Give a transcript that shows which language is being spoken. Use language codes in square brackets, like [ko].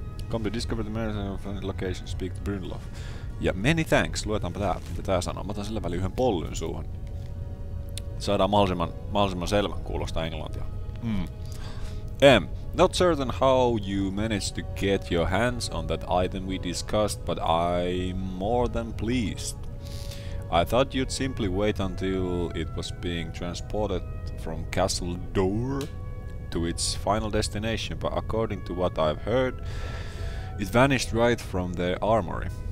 [en] Come to discover the Mercer's location, speak to Brynlof. [fi] Ja [en] many thanks, [fi] luetaanpa tää, mitä tää sanoo. Mä otan sillä välin yhden pollyn suuhun. Saadaan mahdollisimman selvän kuulosta englantia. M. [en] Not certain how you managed to get your hands on that item we discussed, but I'm more than pleased. I thought you'd simply wait until it was being transported from Castle Dor to its final destination, but according to what I've heard, it vanished right from the armory.